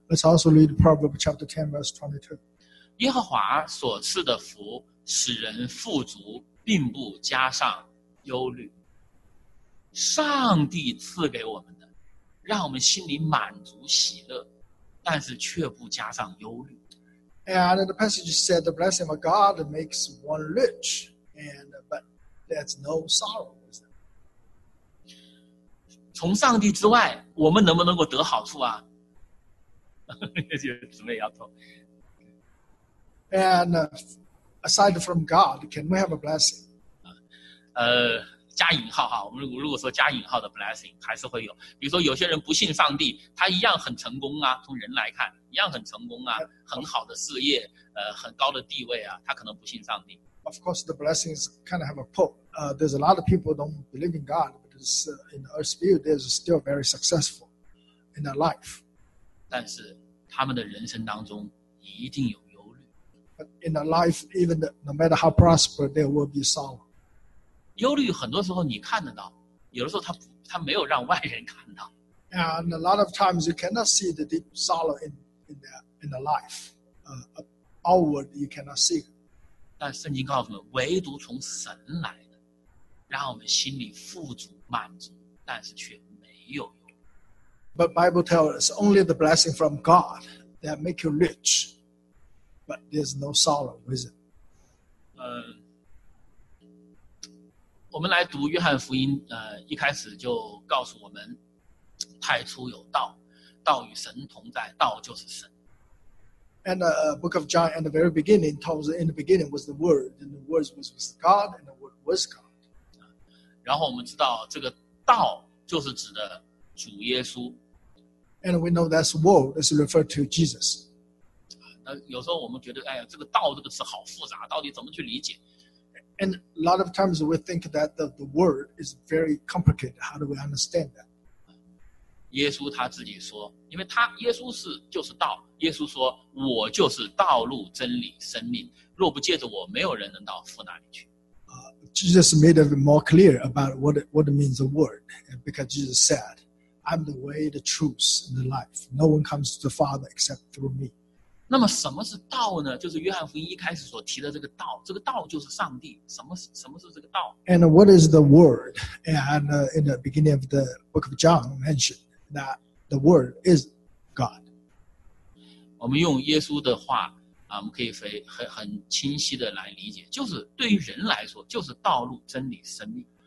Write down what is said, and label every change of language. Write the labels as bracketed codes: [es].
[en] Let's also read Proverbs chapter 10 verse 22. [zh] 耶和华所赐的福，使人富足，并不加上忧虑。上帝赐给我们的，让我们心里满足喜乐，但是却不加上忧虑。 [en] And the passage said, "The blessing of God makes one rich, but there's no sorrow." [zh] 从上帝之外，我们能不能够得好处啊？姊妹摇头。 [en] And aside from God, can we have a blessing? [zh] 加引号哈，我们如果说加引号的 blessing 还是会有。比如说有些人不信上帝，他一样很成功啊，从人来看一样很成功啊，很好的事业，很高的地位啊，他可能不信上帝。 [en] Of course, the blessings kind of have a pull. There's a lot of people don't believe in God, but in the earth view, they're still very successful in their life. [zh] 但是他们的人生当中一定有忧虑。 [en] But in their life, even no matter how prosperous, there will be sorrow. [zh] 忧虑很多时候你看得到，有的时候他没有让外人看到。 [en] And a lot of times you cannot see the deep sorrow in the life. Outward you cannot see. [zh] 但圣经告诉我们，唯独从神来的，让我们心里富足满足，但是却没有忧虑。 [en] But Bible tells us only the blessing from God that make you rich, but there's no sorrow with it. [zh] 我们来读约翰福音，一开始就告诉我们，太初有道，道与神同在，道就是神。 [en] And the book of John, at the very beginning, told us, in the beginning was the Word, and the Word was with God, and the Word was God. [zh] 然后我们知道，这个道就是指的主耶稣。 [en] And we know that Word is referred to Jesus. [zh] 有时候我们觉得，哎呀，这个道这个词好复杂，到底怎么去理解？ [en] And a lot of times we think that the word is very complicated. How do we understand that? [zh] 耶稣他自己说，因为他耶稣是就是道。耶稣说，我就是道路、真理、生命。若不借着我，没有人能到父那里去。 [en] Jesus made it more clear about what it means the word, because Jesus said, "I'm the way, the truth, and the life. No one comes to the Father except through me." [zh] 那么什么是道呢？就是约翰福音一开始所提的这个道。这个道就是上帝。什么是这个道 [en] ？And what is the word? And in the beginning of the book of John mentioned that the word is God. [zh] 我们用耶稣的话啊，我们可以很清晰的来理解，就是对于人来说，就是道路、真理、生命。